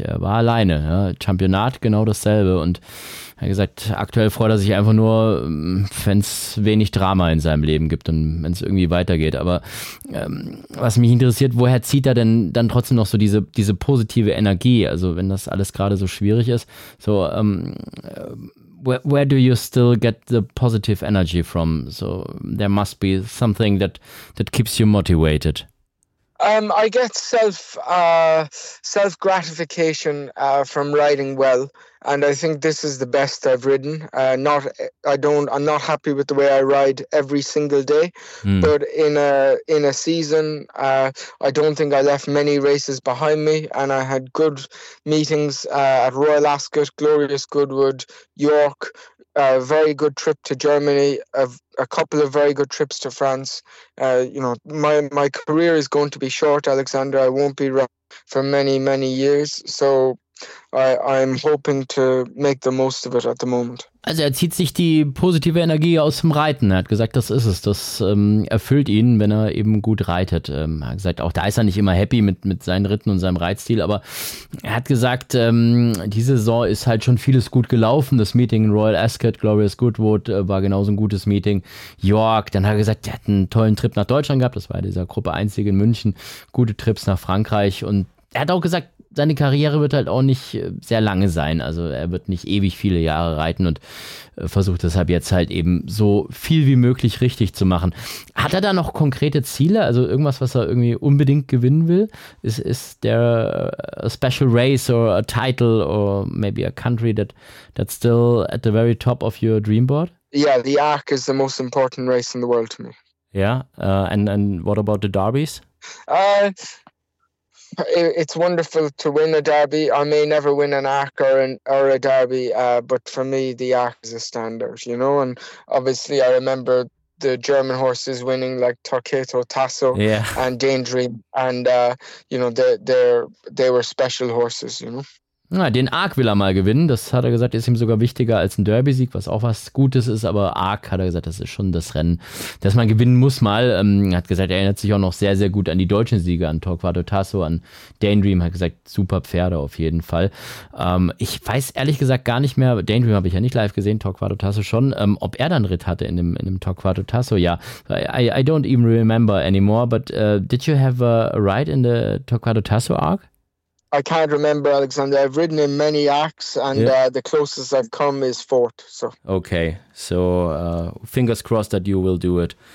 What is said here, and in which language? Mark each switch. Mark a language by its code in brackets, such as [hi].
[de] Er war alleine. Ja. Championat, genau dasselbe. Und er hat gesagt, aktuell freut er sich einfach nur, wenn es wenig Drama in seinem Leben gibt und wenn es irgendwie weitergeht. Aber was mich interessiert, woher zieht er denn dann trotzdem noch so diese positive Energie? Also wenn das alles gerade so schwierig ist. [en] So, Where do you still get the positive energy from? So there must be something that keeps you motivated. I get self gratification from riding well, and I think this is the best I've ridden. I'm not happy with the way I ride every single day, but in a season, I don't think I left many races behind me, and I had good meetings at Royal Ascot, Glorious Goodwood, York. A very good trip to Germany, a couple of very good trips to France. You know, my career is going to be short, Alexander. I won't be around for many, many years. So I'm hoping to make the most of it at the moment. [de] Also er zieht sich die positive Energie aus dem Reiten. Er hat gesagt, das ist es. Das erfüllt ihn, wenn er eben gut reitet. Er hat gesagt, auch da ist er nicht immer happy mit seinen Ritten und seinem Reitstil. Aber er hat gesagt, diese Saison ist halt schon vieles gut gelaufen. Das Meeting in Royal Ascot, Glorious Goodwood, war genauso ein gutes Meeting. York, dann hat er gesagt, er hat einen tollen Trip nach Deutschland gehabt. Das war dieser Gruppe 1 Sieg in München. Gute Trips nach Frankreich. Und er hat auch gesagt, seine Karriere wird halt auch nicht sehr lange sein. Also er wird nicht ewig viele Jahre reiten und versucht deshalb jetzt halt eben so viel wie möglich richtig zu machen. Hat er da noch konkrete Ziele? Also irgendwas, was er irgendwie unbedingt gewinnen will? [en] Is there a special race or a title or maybe a country that's still at the very top of your dream board? Yeah, the Arc is the most important race in the world to me. Yeah, and what about the Derbies? It's wonderful to win a derby. I may never win an ARC or a derby, but for me, the ARC is a standard, you know? And obviously, I remember the German horses winning like Torquato Tasso and Daydream. And, you know, they were special horses, you know? [de] Na, den ARC will er mal gewinnen. Das hat er gesagt, ist ihm sogar wichtiger als ein Derby-Sieg, was auch was Gutes ist. Aber ARC, hat er gesagt, das ist schon das Rennen, das man gewinnen muss mal. Hat gesagt, er erinnert sich auch noch sehr, sehr gut an die deutschen Siege, an Torquato Tasso, an Daydream. Hat gesagt, super Pferde auf jeden Fall. Ich weiß ehrlich gesagt gar nicht mehr, Daydream habe ich ja nicht live gesehen, Torquato Tasso schon, ob er dann Ritt hatte in dem Torquato Tasso. [en] Ja, I don't even remember anymore, but did you have a ride in the Torquato Tasso ARC? I can't remember, Alexander. I've ridden in many ARCs, and the closest I've come is fourth. So. Okay, so fingers crossed that you will do it.